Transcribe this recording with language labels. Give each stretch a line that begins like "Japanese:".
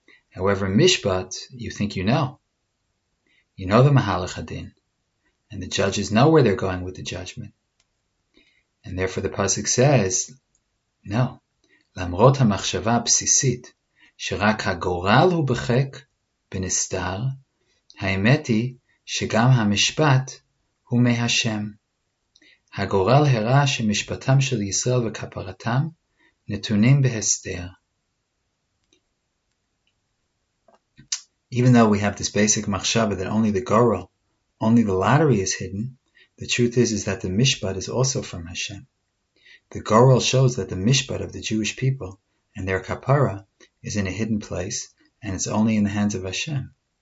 English: However, Mishpat, you think you know. You know the Mahalach Adin, and the judges know where they're going with the judgment. And therefore the Pasuk says, no.
Hebrew: Lamrot ha-machshava b'sisit, sh'rak ha-goral hu b'chek b'nistar, ha-emeti, שגם המשפט הוא מהשם. הגורל הראה שמשפטם של ישראל וכפרתם נתונים בהסתר.
English: Even though we have this basic machshava that only the goral, only the lottery is hidden, the truth is that the mishpat is also from Hashem. The goral shows that the mishpat of the Jewish people and their kapara is in a hidden place and it's only in the hands of Hashem.